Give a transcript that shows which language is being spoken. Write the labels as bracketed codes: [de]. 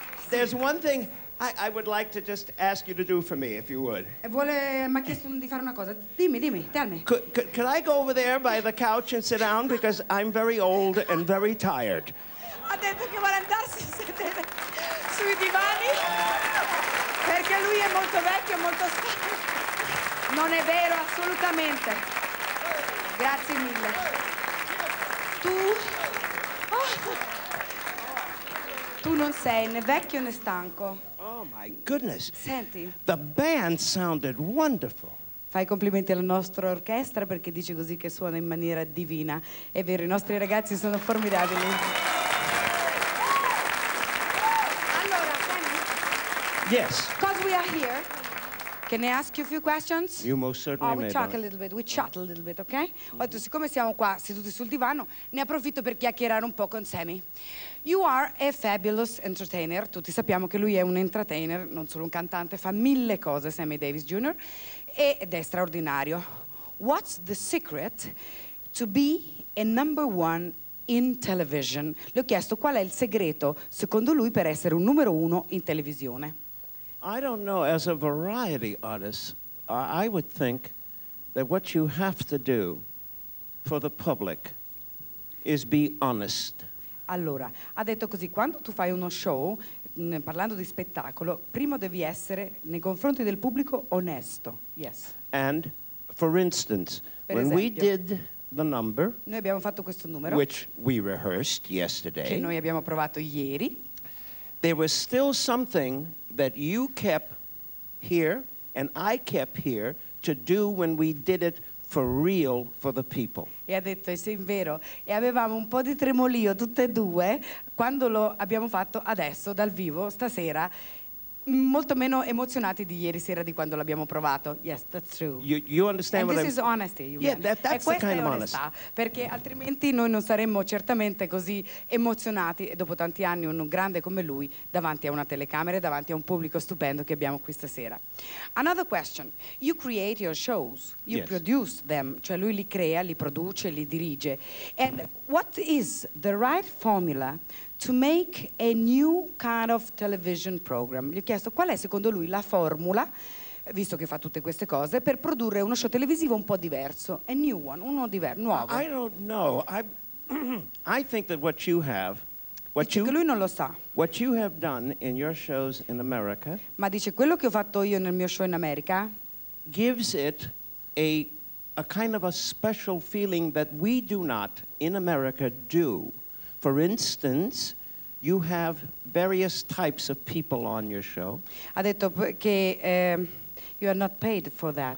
[en] There's one thing I would like to just ask you to do for me, if you would. [it] Vuole, m'ha chiesto di fare una cosa. Dimmi, dimmi, [en] tell me. Could I go over there by the couch and sit down? Because I'm very old and very tired. [it] Ha detto che vuole andarsi a sedere sui divani. Perché lui è molto vecchio e molto stanco. Non è vero, assolutamente. Grazie mille. Tu... Tu non sei né vecchio né stanco. [en] Oh my goodness. [it] Senti. [en] The band sounded wonderful. [it] Fai complimenti alla nostra orchestra perché dice così che suona in maniera divina. È vero, i nostri ragazzi sono formidabili. Allora, senti. [en] Yes. Because we are here, can I ask you a few questions? You most certainly may. Oh, we talk a little bit, we chat a little bit, okay? Mm-hmm. [it] Ho detto, siccome siamo qua seduti sul divano, ne approfitto per chiacchierare un po' con Sammy. [en] You are a fabulous entertainer. [it] Tutti sappiamo che lui è un entertainer, non solo un cantante, fa mille cose, Sammy Davis Jr. Ed è straordinario. [en] What's the secret to be a number one in television? [it] Le ho chiesto qual è il segreto, secondo lui, per essere un numero uno in televisione. [en] I don't know, as a variety artist, I would think that what you have to do for the public is be honest. [it] Allora, ha detto così, quando tu fai uno show, parlando di spettacolo, prima devi essere nei confronti del pubblico onesto. [en] Yes. And, for instance, when we did the number, [it] noi abbiamo fatto questo numero, [en] which we rehearsed yesterday, [it] che noi abbiamo provato ieri, [en] there was still something that you kept here and I kept here to do when we did it for real for the people. [it] E ha detto, è sì, vero. E avevamo un po' di tremolio tutte e due quando lo abbiamo fatto adesso, dal vivo, stasera, molto meno emozionati di ieri sera di quando l'abbiamo provato. [en] Yes, that's true. You understand and what this I'm... is honesty. You yeah, that's the kind of honesty. [it] Perché altrimenti noi non saremmo certamente così emozionati dopo tanti anni un grande come lui davanti a una telecamera e davanti a un pubblico stupendo che abbiamo qui stasera. [en] Another question. You create your shows. You yes. produce them. [it] Cioè lui li crea, li produce, li dirige. [en] And what is the right formula to make a new kind of television program? [it] Gli ho chiesto qual è secondo lui la formula, visto che fa tutte queste cose, per produrre uno show televisivo un po' diverso, [en] a new one, [it] uno diverso, nuovo. [en] I don't know. I think that what you have, what [it] dice you, che lui non lo sa. [en] What you have done in your shows in America, [it] ma dice quello che ho fatto io nel mio show in America, [en] gives it a kind of a special feeling that we do not in America do. For instance, you have various types of people on your show. [it] Ha detto che [en] you are not paid for that.